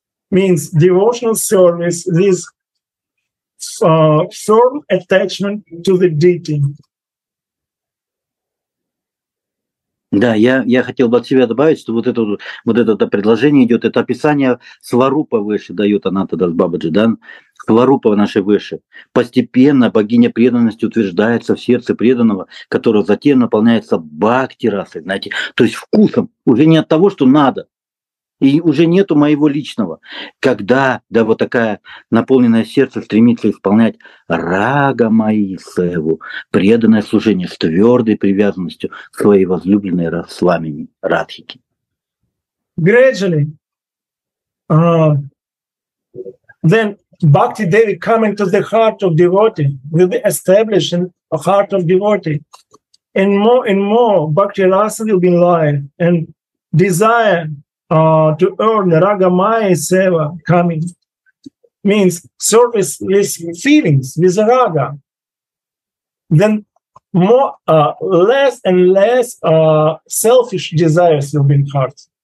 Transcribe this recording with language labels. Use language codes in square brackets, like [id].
[en] Means devotional service, this firm attachment to the deity. [ru] Да, я хотел бы от себя добавить, что вот это предложение идет, это описание Сварупа Выше дает Ананта Дас Бабаджи, да? Сварупа нашей Выше. Постепенно богиня преданности утверждается в сердце преданного, которое затем наполняется бхакти-расой, знаете, то есть вкусом, уже не от того, что надо, и уже нету моего личного. Когда, да, вот такая наполненное сердце стремится исполнять рага мои севу, преданное служение с твердой привязанностью к своей возлюбленной Расвамини, Радхике. [en] Gradually, then Bhakti Devi coming to the heart of devotee will be established in the heart of devotee. And more Bhakti Rasa will be alive and desire to earn Ragamaya Seva coming means service with feelings, with Raga, then less and less selfish desires will be in heart.